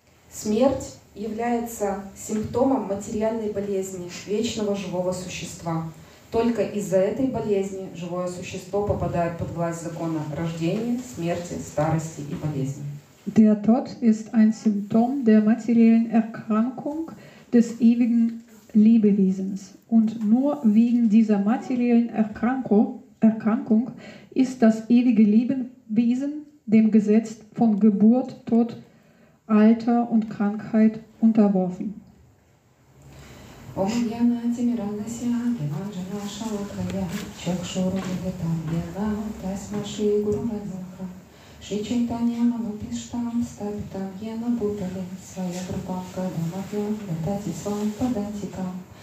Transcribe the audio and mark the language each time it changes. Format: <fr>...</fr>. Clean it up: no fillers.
<ru>Смерть является симптомом материальной болезни вечного живого существа. Только из-за этой болезни живое существо попадает под власть закона рождения, смерти, старости и болезни.</ru> <de>Der Tod ist ein Symptom der materiellen Erkrankung des ewigen Lebewesens. Und nur wegen dieser materiellen Erkrankung ist das ewige Lebewesen dem Gesetz von Geburt, Tod, Alter und Krankheit unterworfen.</de> <sa>Ом яна тимирандася, диманжа наша лакая, чакшуру гитам яна, тасма ши гуру радзаха. Ши чайтанья ману пиштам, стапитам яна бутали, своя группанка дамахем, датати свам падатикам.</sa>